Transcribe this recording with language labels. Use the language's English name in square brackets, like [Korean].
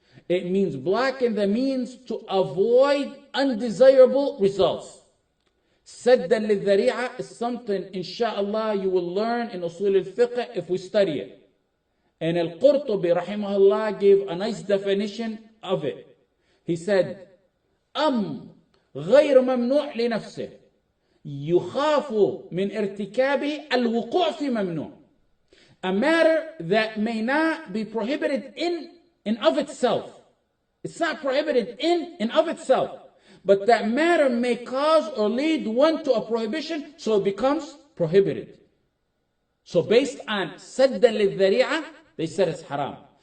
[English] It means blocking the means to avoid undesirable results. [Arabic] سَدًّا لِلذَّرِيعَ [English] is something, inshallah, you will learn in usul al-fiqh if we study it. And al-Qurtubi, rahimahullah, gave a nice definition of it. [Arabic] He said, أم غير ممنوع لنفسه يخاف من ارتكابه الوقوع في ممنوع. [English] A matter that may not be prohibited in and of itself. It's not prohibited in and of itself. But that matter may cause or lead one to a prohibition, so it becomes prohibited. So based on [Arabic] سد للذريعة, [English] they said it's haram.